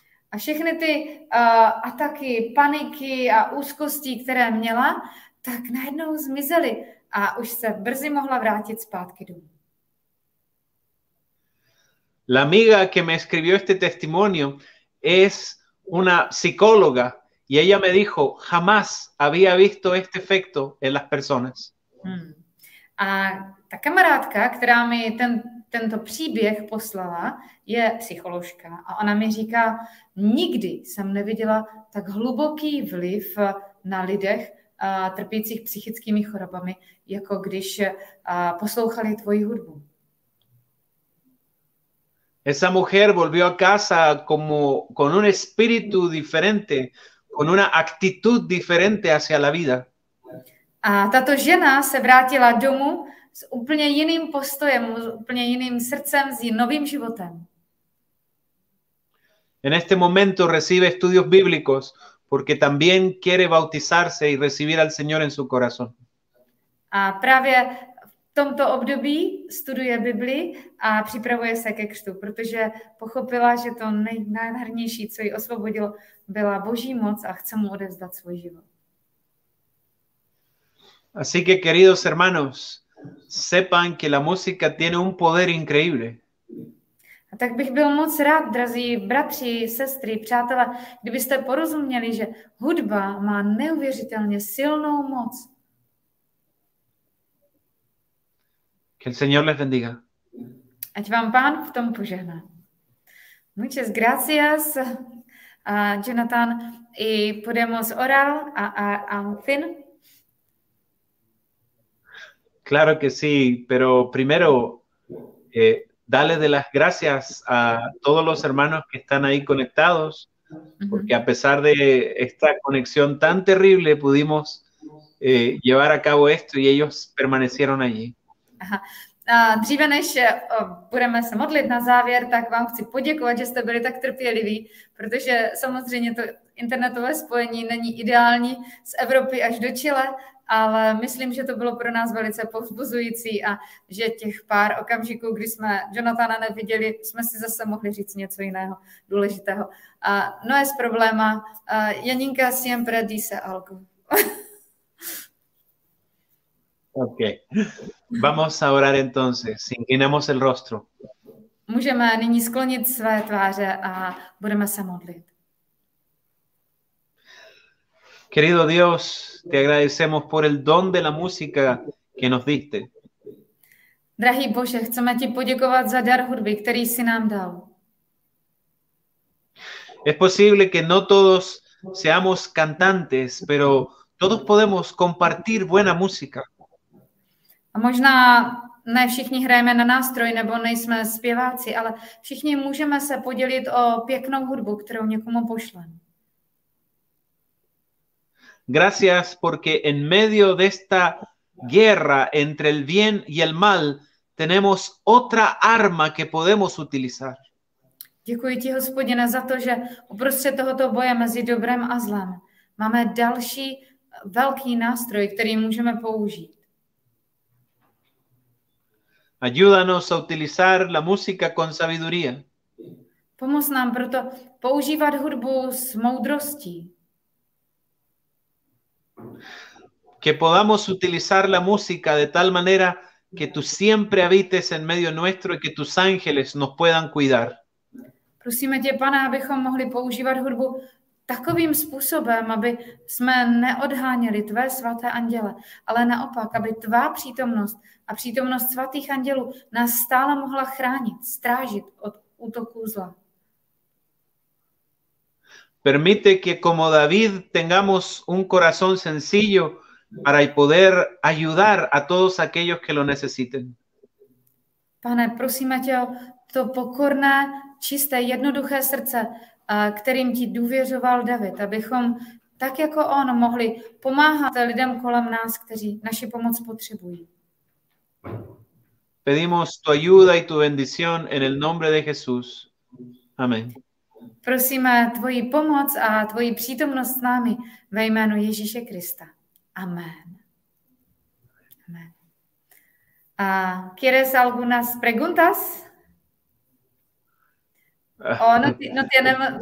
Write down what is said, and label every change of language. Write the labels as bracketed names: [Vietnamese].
[Czech] A všechny ty ataky, paniky a úzkosti, které měla, tak najednou zmizely a už se brzy mohla vrátit zpátky domů. [Spanish] La amiga que me escribió este testimonio es una psicóloga. Y ella me dijo, jamás había visto este efecto en las personas. [Czech] A ta kamarádka, která mi tento příběh poslala, je psycholožka. A ona mi říká, nikdy jsem neviděla tak hluboký vliv na lidech trpících psychickými chorobami, jako když poslouchali tvoji hudbu. [Spanish] Esa mujer volvió a casa como con un espíritu diferente, con una actitud diferente hacia la vida. [Czech] A tato žena se vrátila domů s úplně jiným postojem, s úplně jiným srdcem, s novým životem. [Spanish] En este momento recibe estudios bíblicos porque también quiere bautizarse y recibir al Señor en su corazón. [Czech] A právě v tomto období studuje Biblii a připravuje se ke křtu, protože pochopila, že to nejnádhernější, co ji osvobodilo, byla Boží moc a chce mu odevzdat svůj život. [Spanish] Así que, queridos hermanos, sepan que la música tiene un poder increíble. [Czech] A tak bych byl moc rád, drazí bratři, sestry, přátelé, kdybyste porozuměli, že hudba má neuvěřitelně silnou moc. [Spanish] Que el Señor les bendiga. [Czech] Ať vám Pán v tom požehná. [Spanish] Muchas gracias, Jonathan, y podemos orar a fin. Claro que sí, pero primero dale de las gracias a todos los hermanos que están ahí conectados, porque a pesar de esta conexión tan terrible pudimos llevar a cabo esto y ellos permanecieron allí. [Czech] A dříve než budeme se modlit na závěr, tak vám chci poděkovat, že jste byli tak trpěliví, protože samozřejmě to internetové spojení není ideální z Evropy až do Chile, ale myslím, že to bylo pro nás velice povzbuzující a že těch pár okamžiků, kdy jsme Jonathana neviděli, jsme si zase mohli říct něco jiného důležitého. [Spanish] A no es problema, Janinka siempre dice algo. Ok, vamos a orar entonces, inclinamos el rostro. [Czech] Můžeme nyní sklonit své tváře a budeme se modlit. [Spanish] Querido Dios, te agradecemos por el don de la música que nos diste. [Czech] Drahý Bože, chceme ti poděkovat za dar hudby, který jsi nám dal. [Spanish] Es posible que no todos seamos cantantes, pero todos podemos compartir buena música. [Czech] A možná ne všichni hrajeme na nástroj, nebo nejsme zpěváci, ale všichni můžeme se podělit o pěknou hudbu, kterou někomu pošlem. [Spanish] Gracias porque en medio de esta guerra entre el bien y el mal tenemos otra arma que podemos utilizar. [Czech] Děkuji ti, Hospodine, za to, že uprostřed tohoto boje mezi dobrem a zlem máme další velký nástroj, který můžeme použít. [Spanish] Ayúdanos a utilizar la música con sabiduría. [Czech] Pomoz nám proto používat hudbu s moudrostí. [Spanish] Que podamos utilizar la música de tal manera que tú siempre habites en medio nuestro y que tus ángeles nos puedan cuidar. [Czech] Prosíme tě, Pane, abychom mohli používat hudbu takovým způsobem, aby jsme neodháněli tvé svaté anděle, ale naopak, aby tvá přítomnost a přítomnost svatých andělů nás stále mohla chránit, strážit od útoků zla. [Spanish] Permite que como David tengamos un corazón sencillo para poder ayudar a todos aquellos que lo necesiten. [Czech] Pane, prosíme tě o to pokorné, čisté, jednoduché srdce, kterým ti důvěřoval David, abychom tak jako on mohli pomáhat lidem kolem nás, kteří naši pomoc potřebují. [Spanish] Pedimos tu ayuda y tu bendición en el nombre de Jesús. Amén. [Czech] Prosíme tvoji pomoc a tvoji přítomnost s námi ve jménu Ježíše Krista. [Spanish] Amen. Amen. ¿Quieres algunas preguntas? No tenemos.